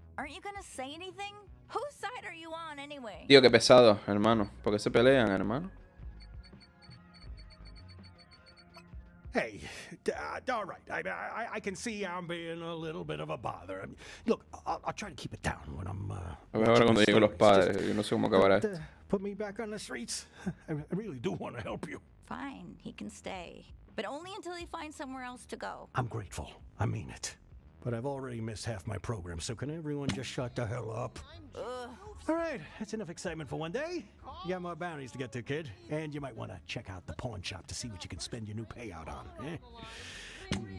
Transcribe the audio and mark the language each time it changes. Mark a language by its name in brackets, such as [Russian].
[English] Aren't you gonna say anything? Whose side are you on anyway? [Spanish] Tío, qué pesado, hermano. ¿Por qué se pelean, hermano? [English] Hey, alright, I can see I'm being a little bit of a bother. I mean, look, I'll try to keep it down when I'm... [Spanish] Ahora cuando lleguen los padres, just, yo no sé cómo acabará esto. [English] Put me back on the streets. I really do want to help you. Fine, he can stay. But only until he finds somewhere else to go. I'm grateful. I mean it. But I've already missed half my program, so can everyone just shut the hell up? Alright, that's enough excitement for one day. You got more bounties to get to, kid. And you might want to check out the pawn shop to see what you can spend your new payout on, eh?